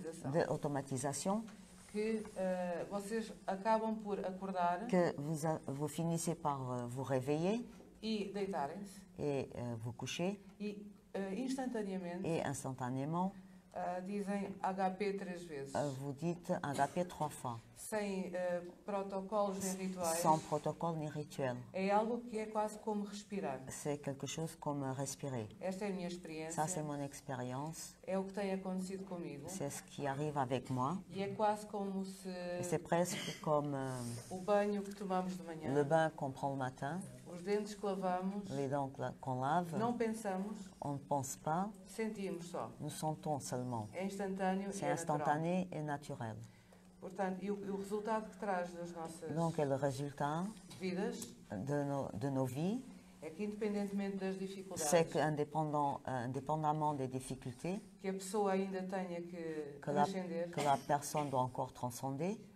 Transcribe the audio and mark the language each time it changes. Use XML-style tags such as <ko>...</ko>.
<pt>d'automatisation que vocês acabam por acordar,</pt> <fr>que vous finissez par vous réveiller</fr> <pt>e deitarem-se,</pt> <fr>et vous coucher</fr> <pt>instantanément dizem HP três vezes,</pt> <fr>vous dites HP trois fois,</fr> <pt>sem protocolos nem rituais,</pt> <fr>sans protocole ni rituel,</fr> <pt>é algo que é quase como respirar,</pt> <fr>c'est quelque chose comme respirer,</fr> <pt>esta é a minha experiência,</pt> <fr>ça c'est mon expérience,</fr> <pt>é o que tem acontecido comigo,</pt> <fr>c'est ce qui arrive avec moi,</fr> <pt>e é quase como se,</pt> <fr>et c'est presque comme</fr> <pt>o banho que tomamos de manhã,</pt> <fr>le bain qu'on prend le matin,</fr> <pt>os dentes que lavamos,</pt> <fr>les dents qu'on lave,</fr> <pt>não pensamos,</pt> <fr>on ne pense pas,</fr> <pt>sentimos só,</pt> <fr>nous sentons seulement,</fr> <pt>é instantâneo,</pt> <fr>c'est instantané et naturel.</fr> <pt>Portanto, e o resultado que traz das nossas</pt> <fr>donc, le résultat</fr> <pt>vidas</pt> <fr>de nos vies</fr> <pt>é que independentemente das dificuldades</pt> <fr>c'est que indépendamment des difficultés</fr> <pt>que a pessoa ainda tenha que transcender</pt> <fr>que la personne doit encore transcender</fr>